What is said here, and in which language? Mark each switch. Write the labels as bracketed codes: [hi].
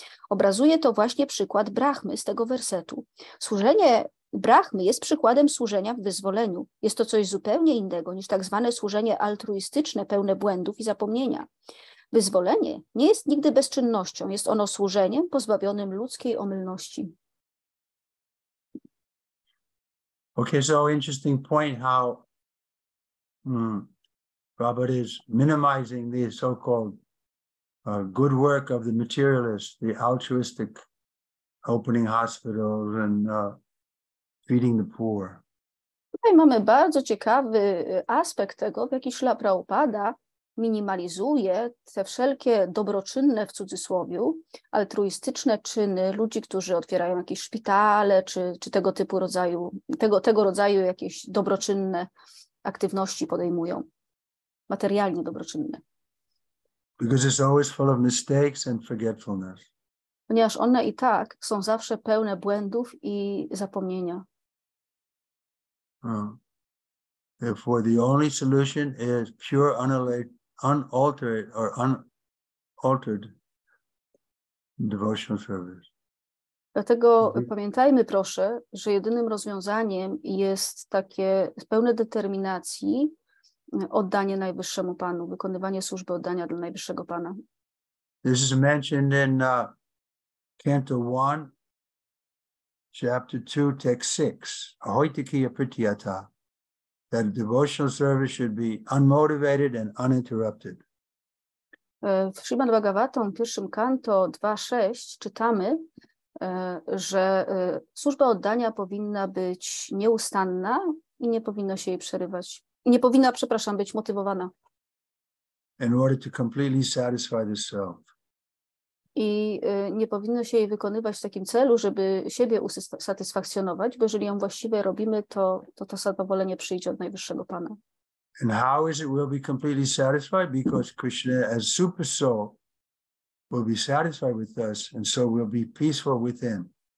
[pl] Obrazuje to właśnie przykład Brahmy z tego wersetu. Służenie Brahmy jest przykładem służenia w wyzwoleniu. Jest to coś zupełnie innego niż tak zwane służenie altruistyczne, pełne błędów i zapomnienia. Wyzwolenie nie jest nigdy bezczynnością, jest ono służeniem pozbawionym ludzkiej omylności. [en] Okay, so interesting point how Robert is minimizing the so-called good work of the materialists, the altruistic opening hospitals and feeding the poor. [pl] Tutaj mamy bardzo ciekawy aspekt tego, w jaki Śrila Prabhupada minimalizuje te wszelkie dobroczynne, w cudzysłowie, altruistyczne czyny ludzi, którzy otwierają jakieś szpitale, czy tego typu rodzaju, tego rodzaju jakieś dobroczynne aktywności podejmują, materialnie dobroczynne. [en] Because it's always full of mistakes and forgetfulness. [pl] Ponieważ one i tak są zawsze pełne błędów i zapomnienia. [en] Therefore, the only solution is pure, unaltered or unaltered devotional service. [pl] Dlatego pamiętajmy, proszę, że jedynym rozwiązaniem jest takie pełne determinacji oddanie najwyższemu Panu, wykonywanie służby oddania dla najwyższego Pana. [en] This is mentioned in Canto 1, Chapter 2, Text 6, Ahoitikiya Pratyata, that devotional service should be unmotivated and uninterrupted. [pl] W Śrimad Bhagavatam, pierwszym kanto 2.6, czytamy, że służba oddania powinna być nieustanna i nie powinno się jej przerywać. I nie powinna, przepraszam, być motywowana. [en] In order to completely satisfy the self. [pl] I nie powinno się jej wykonywać w takim celu, żeby siebie usatysfakcjonować, bo jeżeli ją właściwie robimy, to zadowolenie przyjdzie od najwyższego Pana. [en] And how is it we'll be completely satisfied? Because Krishna as super soul will be satisfied with us and so we'll be peaceful with him.